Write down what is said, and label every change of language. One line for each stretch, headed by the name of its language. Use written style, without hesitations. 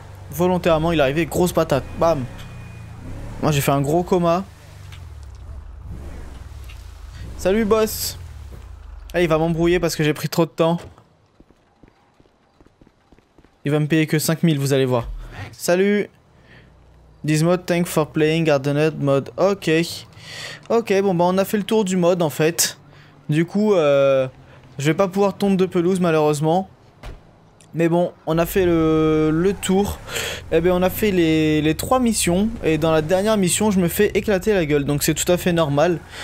French: Volontairement, il est arrivé, grosse patate. Bam. Moi, j'ai fait un gros coma. Salut, boss. Ah, il va m'embrouiller parce que j'ai pris trop de temps. Il va me payer que 5 000, vous allez voir. Salut.
English: This mode, thank for playing hardened mode.
French: Ok. Ok, bon, bah, on a fait le tour du mode en fait. Du coup, je vais pas pouvoir tomber de pelouse malheureusement. Mais bon, on a fait le tour. Eh bien, on a fait les trois missions. Et dans la dernière mission, je me fais éclater la gueule. Donc, c'est tout à fait normal.